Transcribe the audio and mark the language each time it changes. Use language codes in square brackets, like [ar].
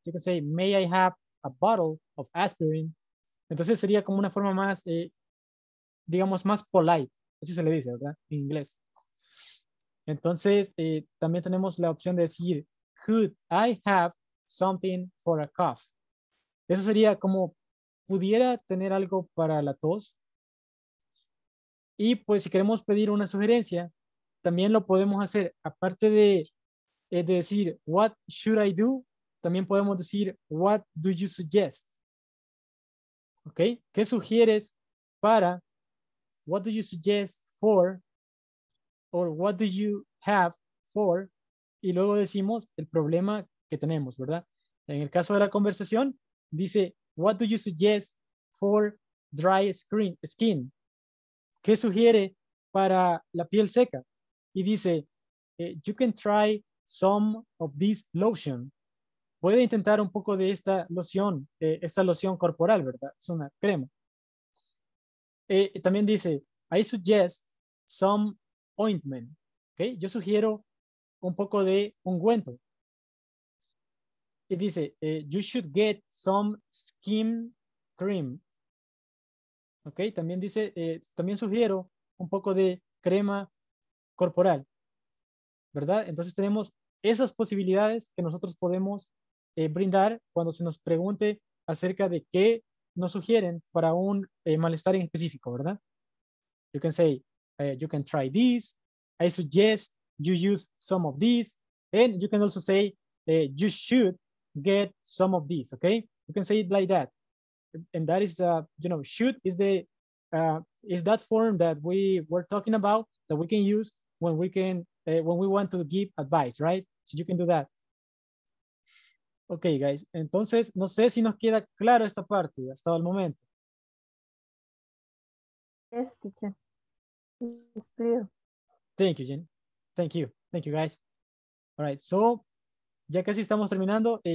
[en] You can say, may I have a bottle of aspirin? [es] Entonces sería como una forma más, digamos, más polite. Así se le dice, ¿verdad? En inglés. Entonces, también tenemos la opción de decir, [en] could I have something for a cough? [es] Eso sería como, ¿pudiera tener algo para la tos? Y pues si queremos pedir una sugerencia, también lo podemos hacer, aparte de... Es decir, [en] what should I do? [es] También podemos decir, [en] what do you suggest? ¿Ok? [es] ¿Qué sugieres para? [en] What do you suggest for? Or what do you have for? [es] Y luego decimos el problema que tenemos, ¿verdad? En el caso de la conversación, dice, [en] what do you suggest for dry skin? [es] ¿Qué sugiere para la piel seca? Y dice, [en] you can try some of this lotion. [es] Puede intentar un poco de esta loción corporal, ¿verdad? Es una crema. También dice, [en] I suggest some ointment. [es] ¿Okay? Yo sugiero un poco de ungüento. Y dice, [en] you should get some skin cream. ¿Okay? [es] También dice, también sugiero un poco de crema corporal, ¿verdad? Entonces tenemos esas posibilidades que nosotros podemos brindar cuando se nos pregunte acerca de qué nos sugieren para un malestar en específico, ¿verdad? [en] You can say, you can try this. I suggest you use some of this. And you can also say, you should get some of this, okay? You can say it like that. And that is, you know, should is the is that form that we were talking about that we can use when we can when we want to give advice, right? So you can do that. Okay, guys. [es] Entonces, no sé si nos queda claro esta parte hasta el momento. [en] Yes, teacher. It's clear. Thank you, Jen. Thank you. Thank you, guys. All right. [es] So, ya casi estamos terminando.